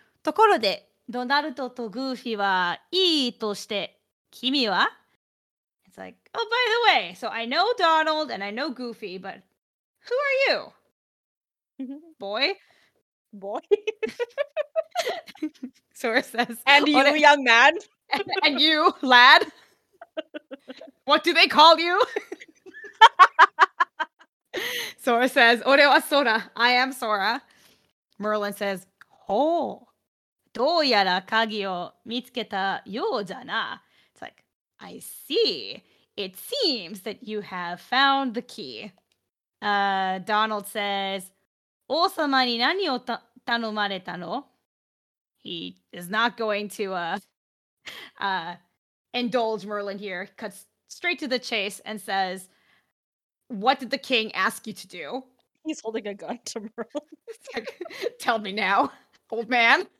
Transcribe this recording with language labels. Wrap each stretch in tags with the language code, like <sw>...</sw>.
<ja>ところで、ドナルドとグーフィーはいいとして、君は?</ja> <en>It's like, oh, by the way, so I know Donald and I know Goofy, but who are you? Boy? Boy? Sora says, and you, young man? And you, lad? What do they call you? Sora says,</en> <ja>Ore wa Sora.</ja> <en>I am Sora. Merlin says, oh,</en> <ja>どうやら鍵を見つけたようじゃな。</ja> <en>It's like, I see. It seems that you have found the key. Donald says,</en> <ja>王様に何を頼まれたの?</ja> <en>He is not going to indulge Merlin here. Cuts straight to the chase and says, what did the king ask you to do? He's holding a gun to Merlin. Tell me now, old man.</en>